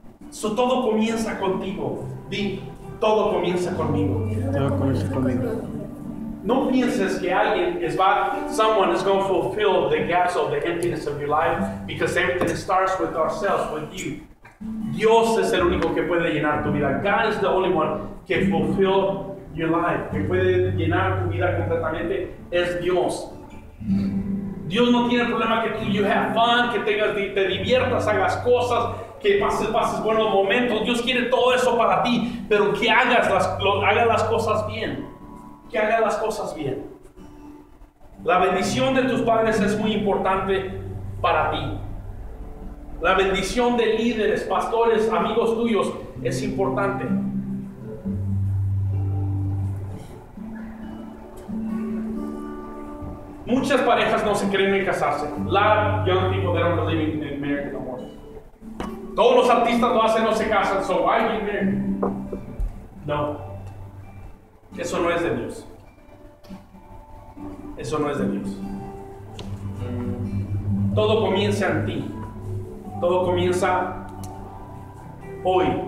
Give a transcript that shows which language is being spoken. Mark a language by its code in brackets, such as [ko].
[es] So todo comienza contigo. Todo comienza conmigo. Todo comienza conmigo. No pienses que alguien es va, [en] someone is going to fulfill the gaps of the emptiness of your life because everything starts with ourselves, with you. [es] Dios es el único que puede llenar tu vida. [en] God is the only one [es] que [en] fulfill your life, [es] que puede llenar tu vida completamente, es Dios. Dios no tiene problema que tú, [en] you have fun, [es] que tengas, te diviertas, hagas cosas, que pases buenos momentos. Dios quiere todo eso para ti, pero que hagas las cosas bien. Que hagas las cosas bien. La bendición de tus padres es muy importante para ti. La bendición de líderes, pastores, amigos tuyos es importante. Muchas parejas no se creen en casarse. [en] A lot of young people, they don't believe in marriage no more. [es] Todos los artistas lo hacen, no se casan. [en] So why are you married? [es] No. Eso no es de Dios. Eso no es de Dios. Todo comienza en ti. Todo comienza hoy.